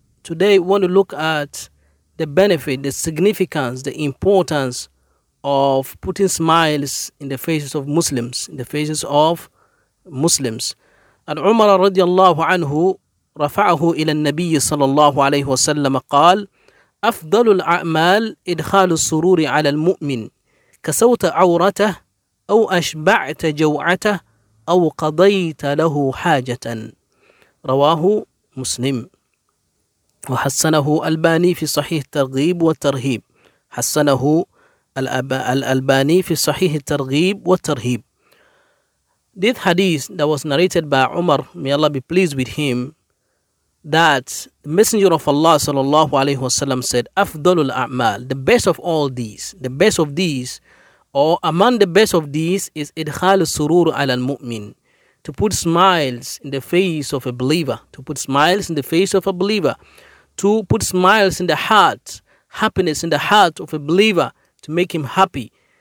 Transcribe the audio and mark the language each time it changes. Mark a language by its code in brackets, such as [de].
[en] Today we want to look at the benefit, the significance, the importance of putting smiles in the faces of Muslims, in the faces of Muslims. [ar] And Umar رضي الله عنه رفعه إلى النبي صلى الله عليه وسلم قال أفضل الأعمال إدخال السرور على المؤمن كسوت عورته أو أشبعت جوعته أو قضيت له حاجة. رواه مسلم وحسنه الألباني في صحيح الترغيب والترهيب. حسنه الألباني في صحيح الترغيب والترهيب. [en] This hadith that was narrated by Umar, may Allah be pleased with him, that the Messenger of Allah sallallahu alayhi wasallam said, [ar] "Afdalul a'mal, [en] the best of all these, the best of these, or among the best of these, is [ar] idkhal surur ala al-mu'min, [en] to put smiles in the face of a believer, to put smiles in the face of a believer, to put smiles in the heart, happiness in the heart of a believer, to make him happy."